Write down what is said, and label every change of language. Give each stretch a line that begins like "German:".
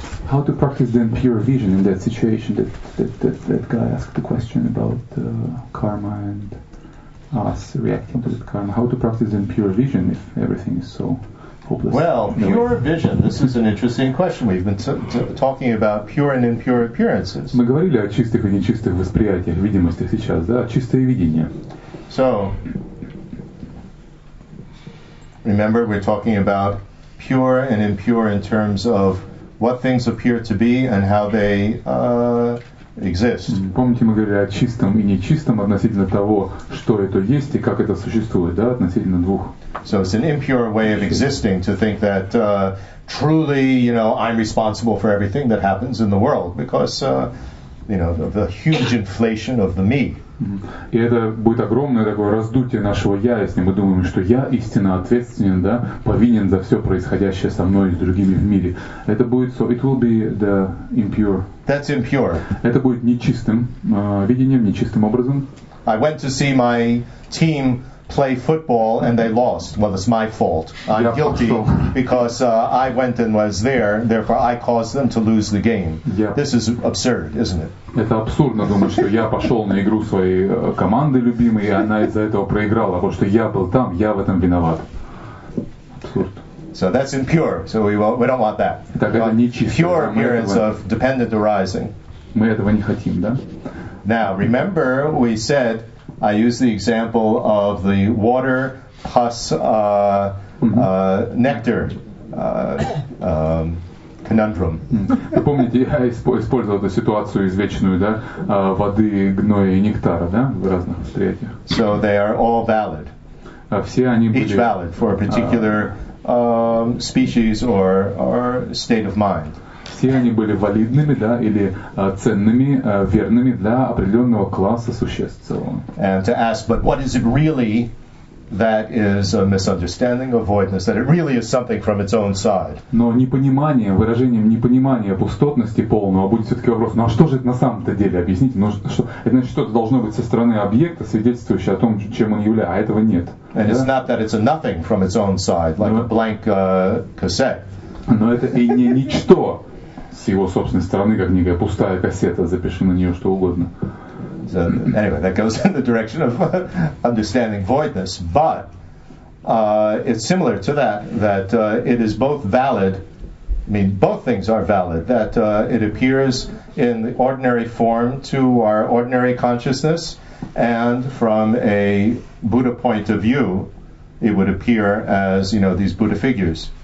English: How to practice then pure vision in that situation that guy asked the question about karma and us reacting to the karma? How to practice then pure vision if everything is so hopeless? Well, pure vision, this is an interesting question. We've been talking about pure and impure appearances.
Russian: Мы говорили о чистых и нечистых восприятиях, видимостях сейчас, да, чистое видение.
English: So, remember we're talking about pure and impure in terms of what things appear to be and how they exist.
Russian: Помните, мы говорили о чистом и нечистом относительно того, что это есть и как это существует, да, относительно двух.
English: So it's an impure way of existing to think that truly, you know, I'm responsible for everything that happens in the world because, you know, the huge inflation of the me.
Russian: И это будет огромное такое раздутие нашего «я», если мы думаем, что «я» истинно ответственен, да, повинен за все происходящее со мной и с другими в мире. Это будет,
English: so it will be the impure. That's impure.
Russian: Это будет нечистым видением, нечистым образом.
English: I went to see my team play football and they lost. Well, it's my fault. I'm guilty because I went and was there, therefore I caused them to lose the game. Yeah. This is absurd, isn't it?
Russian: Это абсурдно думать, что я пошел на игру своей команды любимой, и она из-за этого проиграла, потому что я был там, я в этом виноват. Абсурд.
English: So that's impure. So we don't want that.
Russian: Так это нечисто.
English: Pure appearance of dependent arising.
Russian: Мы этого не хотим, да?
English: Now, remember we said, I use the example of the water pus nectar conundrum.
Russian: Вы помните, я использовал эту ситуацию извечную, да, воды, гноя и нектара, да, в разных восприятиях.
English: So they are all valid.
Russian: Все они были.
English: Each valid for a particular species or state of mind.
Russian: Все они были валидными, да, или ценными, верными для определенного класса существ целого.
English: And to ask, but what is it really? That is a misunderstanding of voidness, that it really is something from its own side.
Russian: Но непонимание, выражением непонимания пустотности полного будет все-таки вопрос, ну а что же это на самом-то деле, объясните, ну, что, это значит, что-то должно быть со стороны объекта, свидетельствующее о том, чем он является, а этого нет.
English: And it's not that it's a nothing from its own side, like a blank cassette.
Russian: Но это и не ничто с его собственной стороны, как некая пустая кассета, запиши на нее что угодно.
English: So anyway, that goes in the direction of understanding voidness, but it's similar to that it is both valid, I mean, both things are valid, that it appears in the ordinary form to our ordinary consciousness, and from a Buddha point of view, it would appear as, you know, these Buddha figures.